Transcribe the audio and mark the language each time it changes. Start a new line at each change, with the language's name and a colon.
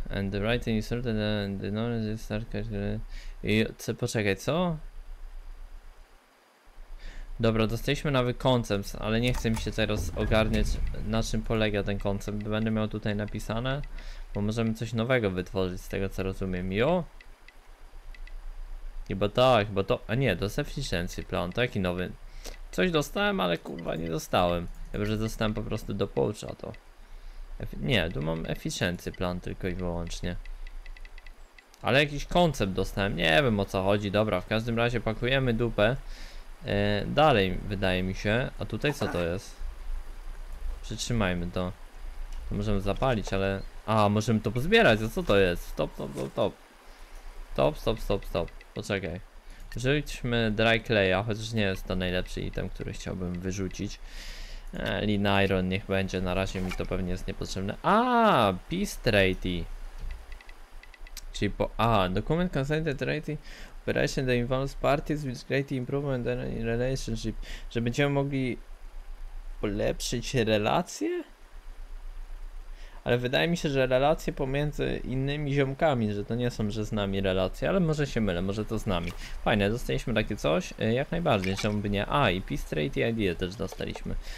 English: And the writing is written and the knowledge is started.
Polish: Poczekaj, co? Dobra, dostaliśmy nowy koncept, ale nie chce mi się teraz ogarniać, na czym polega ten koncept. Będę miał tutaj napisane, bo możemy coś nowego wytworzyć z tego co rozumiem. Jo? Chyba tak, bo to. A nie, dostałem licencję plan, to jaki nowy? Coś dostałem, ale kurwa nie dostałem. Chyba, że dostałem po prostu do poucza to. Nie, tu mam efficiency plan tylko i wyłącznie. Ale jakiś koncept dostałem, nie wiem o co chodzi. Dobra, w każdym razie pakujemy dupę. Dalej, wydaje mi się. A tutaj co to jest? Przytrzymajmy to. To możemy zapalić, ale. A, możemy to pozbierać, a co to jest? Stop, stop, stop, stop. Stop, stop, stop, stop. Poczekaj. Wrzućmy dry clay, a chociaż nie jest to najlepszy item, który chciałbym wyrzucić. Lean iron, niech będzie, na razie mi to pewnie jest niepotrzebne. A, peace treaty. Czyli po.
English: A, document consented treaty. Operation that involves parties which greatly improve in relationship.
Polish: Że będziemy mogli polepszyć relacje? Ale wydaje mi się, że relacje pomiędzy innymi ziomkami, że to nie są, że z nami relacje, ale może się mylę, może to z nami. Fajne, dostaliśmy takie coś? Jak najbardziej, czemu by nie? A, i Peace Treaty idea też dostaliśmy.